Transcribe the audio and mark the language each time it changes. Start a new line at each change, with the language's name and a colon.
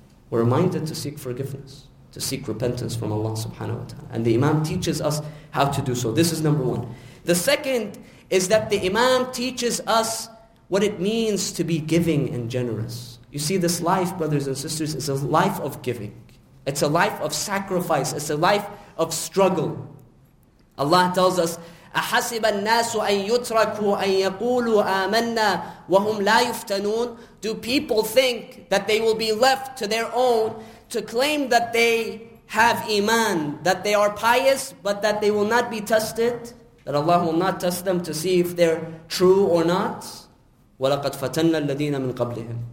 English: We're reminded to seek forgiveness, to seek repentance from Allah subhanahu wa ta'ala. And the Imam teaches us how to do so. This is number one. The second is that the Imam teaches us what it means to be giving and generous. You see, this life, brothers and sisters, is a life of giving. It's a life of sacrifice. It's a life of struggle. Allah tells us,
Arabic: أَحَسِبَ النَّاسُ أَن يُتْرَكُوا أَن يَقُولُوا آمَنَّا وَهُمْ لَا يُفْتَنُونَ.
English: Do people think that they will be left to their own to claim that they have iman, that they are pious, but that they will not be tested, that Allah will not test them to see if they're true or not?
Arabic: وَلَقَدْ فَتَنَّا الَّذِينَ مِنْ قَبْلِهِمْ.